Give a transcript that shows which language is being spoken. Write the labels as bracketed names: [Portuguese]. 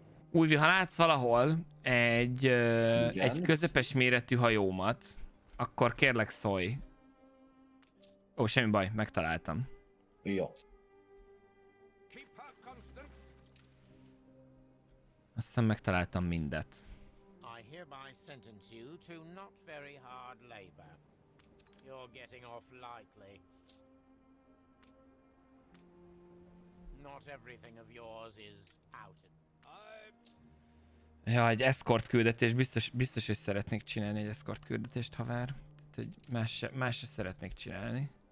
[Hungarian] Úgy, ha látsz valahol egy közepes méretű hajómat, akkor kérlek szólj. Ó, semmi baj, megtaláltam. Jó. Azt hiszem, megtaláltam mindet. [English] I hereby sentence you to not very hard labor. You're getting off lightly. Not everything of yours is out. [Hungarian] Ja, egy escort küldetés, biztos hogy szeretnék csinálni egy escort küldetést, haver. Tehát, hogy más se szeretnék csinálni.